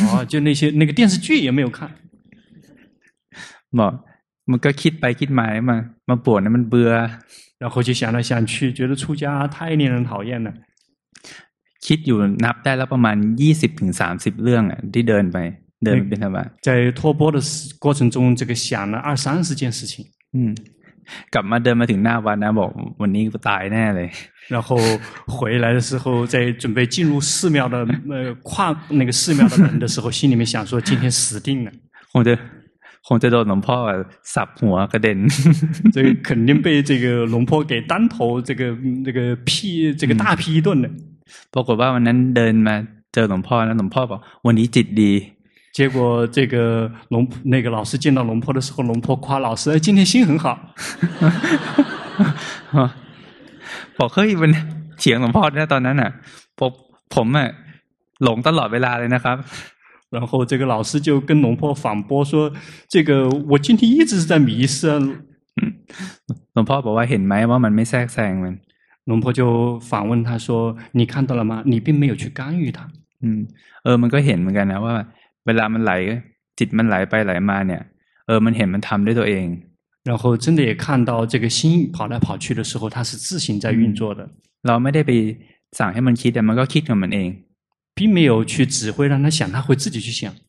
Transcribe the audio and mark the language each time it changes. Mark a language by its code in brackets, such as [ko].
[zh] 就那些那个电视剧也没有看 [th] บอกมันก็คิดไปคิดมามาปวดนะมันเบื่อ [zh] 然后就想来想去觉得出家太令人讨厌了 [th] คิดอยู่นับได้แล้วประมาณ 20-30 เรื่องที่เดินไปเดินไปทำไม [zh] 在脱钵的过程中这个想了二三十件事情 [th] กลับมาเดินมาถึงหน้าวัดนะบอกวันนี้ก็ตายแน่เลย [zh] 然后回来的时候在准备进入寺庙的跨那个寺庙的门的时候心里面想说今天死定了 [th] คงจะโดนหลวงพ่อสับหัวกระเด็น [zh] 这个肯定被这个龙婆给单头这个劈这个大劈一顿了 [th] ปรากฏว่าวันนั้นเดินมาเจอหลวงพ่อแล้วหลวงพ่อบอกวันนี้จิตดี [zh] 结果这个龙那个老师见到龙婆的时候龙婆夸老师今天心很好 [th] บอกเฮ้ยมันเถียงหลวงพ่อนะตอนนั้นอ่ะผมอ่ะหลงตลอดเวลาเลยนะครับ [zh] 然后这个老师就跟龙婆反驳说这个我今天一直是在迷失 [th] หลวงพ่อบอกว่าเห็นไหมว่ามันไม่แทรกแซงมัน [zh] หลวงพ่อ就反问他说你看到了吗你并没有去干预他 [th] มันก็เห็นเหมือนกันนะว่าเวลามันไหลจิตมันไหลไปไหลมาเนี่ยมันเห็นมันทำด้วยตัวเอง [zh] 然后真的也看到这个心跑来跑去的时候它是自行在运作的 [th] เราไม่ได้ไปสั่งให้มันคิดแต่มันก็คิดของมันเอง [zh] 并没有去指挥让它想它会自己去想